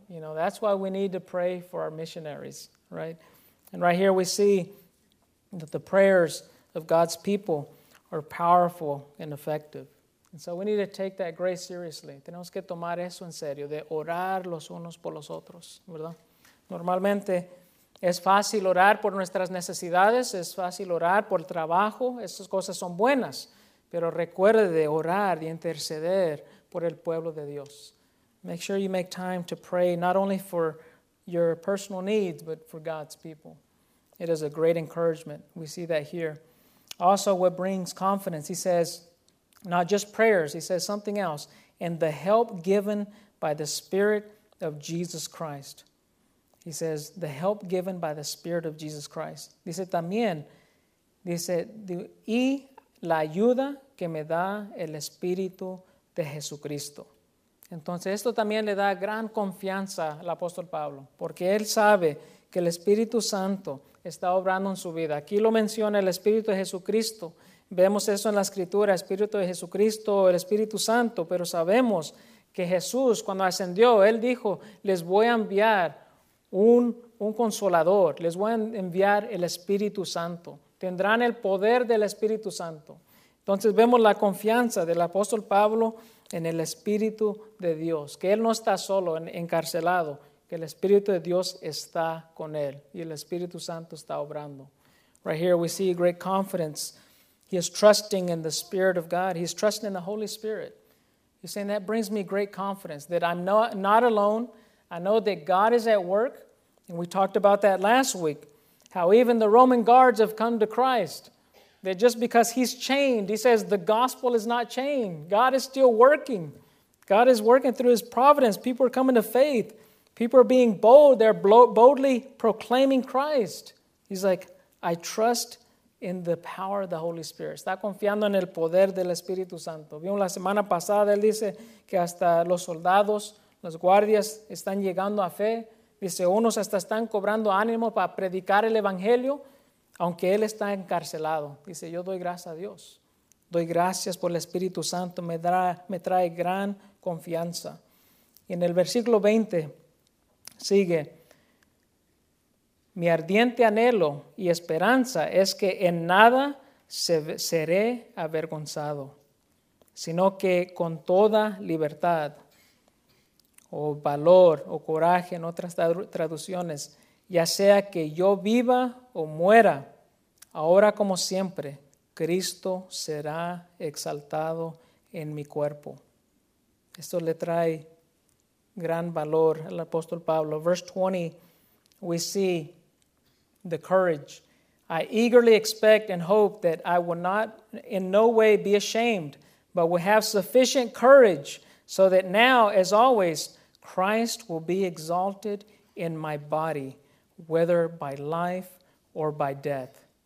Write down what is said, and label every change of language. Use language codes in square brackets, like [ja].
[en] You know, that's why we need to pray for our missionaries, right? And right here we see that the prayers of God's people are powerful and effective. And so we need to take that grace seriously. [es] Tenemos que tomar eso en serio, de orar los unos por los otros, ¿verdad? Normalmente es fácil orar por nuestras necesidades, es fácil orar por el trabajo, esas cosas son buenas, pero recuerde de orar y interceder por el pueblo de Dios. [en] Make sure you make time to pray not only for your personal needs, but for God's people. It is a great encouragement. We see that here. Also, what brings confidence, he says, not just prayers, he says something else, and the help given by the Spirit of Jesus Christ. He says, the help given by the Spirit of Jesus Christ. [es] Dice también, dice, y la ayuda que me da el Espíritu de Jesucristo. Entonces, esto también le da gran confianza al apóstol Pablo, porque él sabe que el Espíritu Santo está obrando en su vida. Aquí lo menciona el Espíritu de Jesucristo. Vemos eso en la Escritura, Espíritu de Jesucristo, el Espíritu Santo, pero sabemos que Jesús, cuando ascendió, él dijo, les voy a enviar un consolador, les voy a enviar el Espíritu Santo. Tendrán el poder del Espíritu Santo. Entonces, vemos la confianza del apóstol Pablo en el Espíritu de Dios, que él no está solo, encarcelado, que el Espíritu de Dios está con él y el Espíritu Santo está obrando. [en] Right here we see great confidence. He is trusting in the Spirit of God. He's trusting in the Holy Spirit. He's saying that brings me great confidence that I'm not alone. I know that God is at work. And we talked about that last week, how even the Roman guards have come to Christ. That just because he's chained, he says the gospel is not chained. God is still working. God is working through his providence. People are coming to faith. People are being bold. They're boldly proclaiming Christ. He's like, I trust in the power of the Holy Spirit. [es] Está confiando en el poder del Espíritu Santo. Vimos la semana pasada, él dice que hasta los soldados, los guardias están llegando a fe. Dice, unos hasta están cobrando ánimo para predicar el Evangelio, aunque él está encarcelado. Dice, yo doy gracias a Dios. Doy gracias por el Espíritu Santo. Me trae gran confianza. Y en el versículo 20, sigue, mi ardiente anhelo y esperanza es que en nada seré avergonzado, sino que con toda libertad o valor o coraje en otras traducciones, ya sea que yo viva o muera, ahora como siempre, Cristo será exaltado en mi cuerpo. Esto le trae gran valor al apóstol Pablo. [en] Verse 20, we see the courage. I eagerly expect and hope that I will not in no way be ashamed, but will have sufficient courage so that now, as always, Christ will be exalted in my body, whether by life or by death.